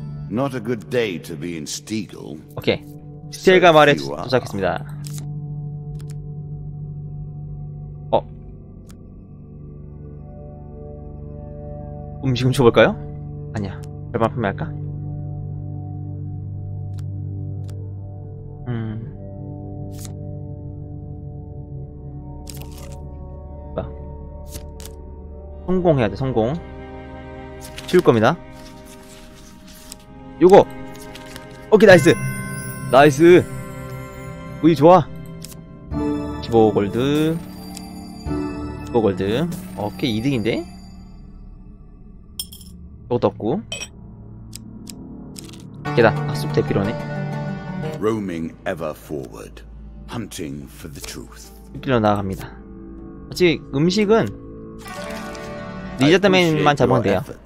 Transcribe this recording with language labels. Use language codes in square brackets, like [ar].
[en] Not a good day to be in Steagle. [ko] 오케이. 스텔가 마을에 도착했습니다. 음식을 줘볼까요? 아니야. 얼마 판매할까? 성공해야 돼, 성공. 치울 겁니다. 요거! 오케이, 나이스! 나이스! 우유 좋아! 15골드. 15골드. 오케이, 2등인데? 이것도 없고. 계단. 아, 숲 대피로네. [en] 로밍 ever forward. Hunting for the truth. [ko] 길로 나아갑니다. 아직 음식은 니자드맨만 잡으면 돼요.